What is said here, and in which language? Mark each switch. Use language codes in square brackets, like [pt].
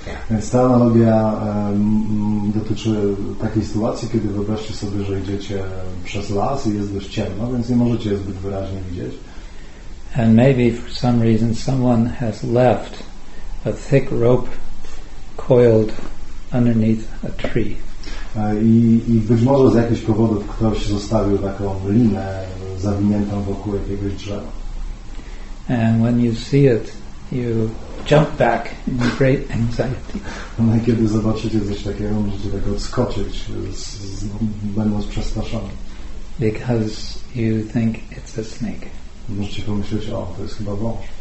[pl] Więc ta analogia dotyczy takiej sytuacji, kiedy wyobraźcie sobie, że idziecie przez las i jest dość ciemno, więc nie możecie je zbyt wyraźnie widzieć. [en] And maybe for some reason someone has left a thick rope coiled underneath a tree. [pl] I być może z jakichś powodów ktoś zostawił taką linę zawiniętą wokół jakiegoś drzewa. [en] And when you see it, you jump back in great anxiety. [pl] No, kiedy zobaczycie coś takiego, możecie tak odskoczyć, będąc przestraszony. [en] Because you think it's a snake. [pl] Możecie pomyśleć, o, to jest chyba wąż.